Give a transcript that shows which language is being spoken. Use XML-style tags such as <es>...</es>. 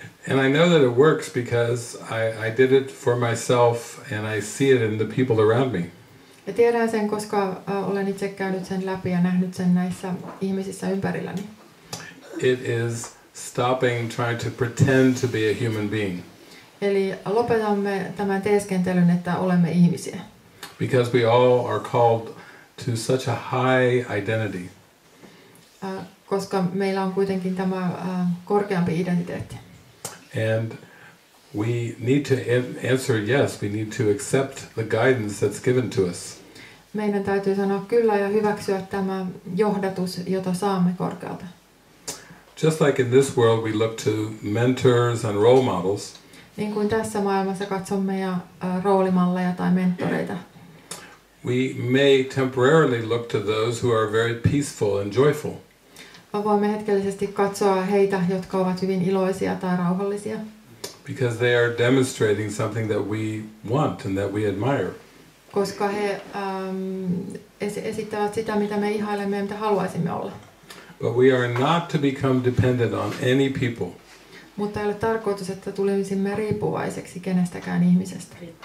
<en>And I know that it works because I did it for myself and I see it in the people around me.</en> <fi>Ja tiedän sen, koska olen itse käynyt sen läpi ja nähnyt sen näissä ihmisissä ympärilläni.</fi> <en>It is stopping trying to pretend to be a human being.</en> <fi>Eli lopetamme tämän teeskentelyn, että olemme ihmisiä.</fi> <en>Because we all are called to such a high identity.</en> <fi>Koska meillä on kuitenkin tämä korkeampi identiteetti.</fi> <en>And we need to answer yes, we need to accept the guidance that's given to us.</en> <fi>Meidän täytyy sanoa kyllä ja hyväksyä tämä johdatus, jota saamme korkealta.</fi> <en>Just like in this world we look to mentors and role models.</en> <fi>Niin kuin tässä maailmassa katsomme ja roolimalleja tai mentoreita.</fi> <en>We may temporarily look to those who are very peaceful and joyful.</en> <fi>Me voimme hetkellisesti katsoa heitä, jotka ovat hyvin iloisia tai rauhallisia.</fi> <en>Because they are demonstrating something that we want and that we admire.</en> <fi>Koska he esittävät sitä, mitä me ihailemme ja mitä haluaisimme olla.</fi> <en>But we are not to become dependent on any people.</en> <fi>Mutta ei ole tarkoitus, että tulisimme riippuvaiseksi kenestäkään ihmisestä.</fi>